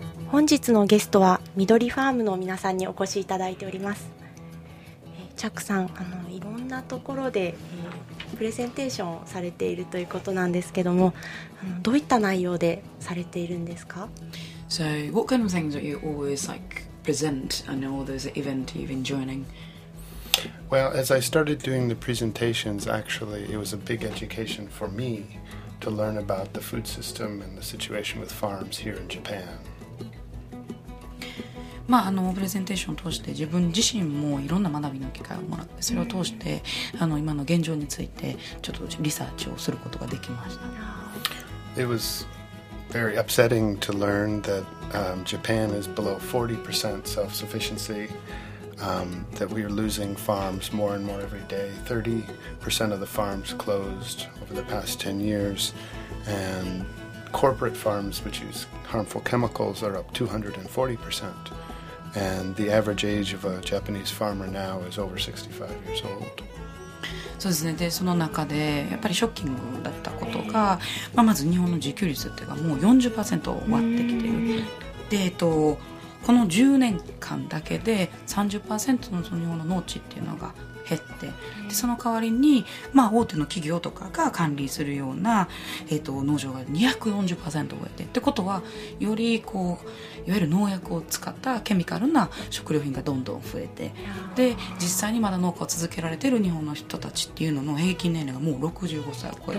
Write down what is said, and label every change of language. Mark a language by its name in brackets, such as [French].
[Japanese] 本日のゲストは緑ファームの皆さんにお越しいただいております。チャックさん、あのいろんなところで、プレゼンテーションをされているということなんですけども、あのどういった内容でされているんですか？ [English] So what kind of things are you always like present and all those events you've been joining? Well, as I started doing the presentations, actually it was a big education for me to learn about the food system and the situation with farms here in Japan. [Japanese] まあ、あのプレゼンテーションを通して自分自身もいろんな学びの機会をもらって、それを通してあの今の現状についてちょっとリサーチをすることができました。 [English] It was very upsetting to learn that、Japan is below 40% self-sufficiency、that we are losing farms more and more every day. 30% of the farms closed over the past 10 years and corporate farms which use harmful chemicals are up 240%And the average age of a Japanese farmer now is over 65 years old. [Japanese] そうですね。で、その中でやっぱりショッキングだったことが、まあ、まず日本の自給率っていうかもう 40% 割ってきている。で、この10年間だけで 30% の日本の農地っていうのが減って、でその代わりに、まあ、大手の企業とかが管理するような、農場が 240% 増えて、ってことはよりこういわゆる農薬を使ったケミカルな食料品がどんどん増えて、で実際にまだ農家を続けられてる日本の人たちっていうのの平均年齢がもう65歳を超えて